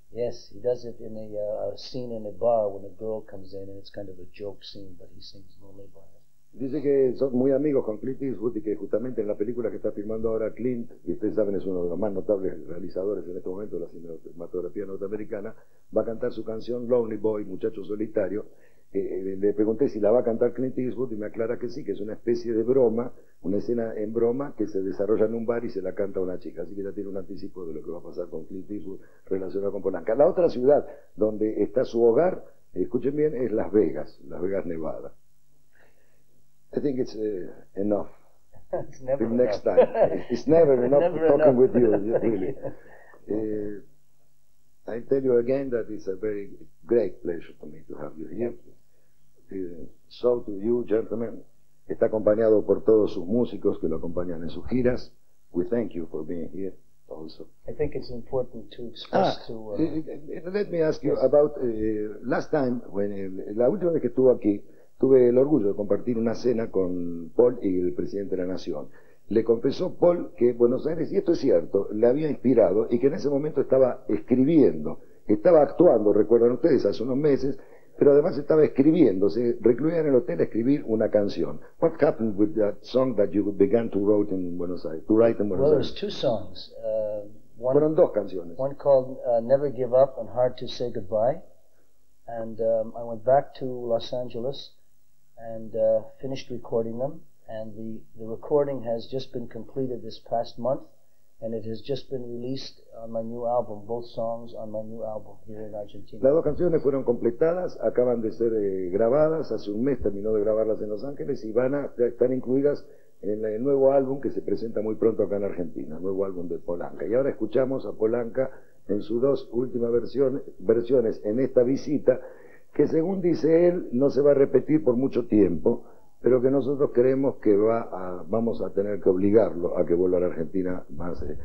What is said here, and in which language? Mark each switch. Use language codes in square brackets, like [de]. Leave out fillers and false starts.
[en] Yes, he does it in a scene in a bar when a girl comes in, and it's kind of a joke scene, but he sings Lonely Boy. [es] Dice que son muy amigos con Clint Eastwood y que justamente en la película que está filmando ahora Clint, y ustedes saben es uno de los más notables realizadores en este momento de la cinematografía norteamericana, va a cantar su canción Lonely Boy, Muchacho Solitario. Le pregunté si la va a cantar Clint Eastwood y me aclara que sí, que es una especie de broma, una escena en broma que se desarrolla en un bar y se la canta una chica. Así que ya tiene un anticipo de lo que va a pasar con Clint Eastwood relacionado con Polanca. La otra ciudad donde está su hogar, escuchen bien, es Las Vegas, Nevada. [en] I think it's enough. It's never enough. Next time. It's never enough never talking enough. With you, really. I tell you again that it's a very great pleasure for me to have you here. So to you, gentlemen. [es] Está acompañado por todos sus músicos que lo acompañan en sus giras. [en] We thank you for being here also. I think it's important to express Let me ask you about last time, when [es] la última vez que estuvo aquí, tuve el orgullo de compartir una cena con Paul y el presidente de la Nación. Le confesó Paul que Buenos Aires, y esto es cierto, le había inspirado y que en ese momento estaba escribiendo, estaba actuando, recuerdan ustedes, hace unos meses, pero además estaba escribiendo, se recluía en el hotel a escribir una canción. [en] What happened with that song that you began to write in Buenos Aires? Well, there's two songs. [es] Fueron dos canciones. [en] One called Never Give Up and Hard to Say Goodbye. And I went back to Los Angeles and finished recording them. And the recording has just been completed this past month, and it has just been released on my new album, both songs on my new album here in Argentina. [es] Las dos canciones fueron completadas, acaban de ser grabadas, hace un mes terminó de grabarlas en Los Ángeles, y van a estar incluidas en el nuevo álbum que se presenta muy pronto acá en Argentina, el nuevo álbum de Polanca. Y ahora escuchamos a Polanca en sus dos últimas versiones en esta visita, que según dice él, no se va a repetir por mucho tiempo, pero que nosotros creemos que vamos a tener que obligarlo a que vuelva a la Argentina más.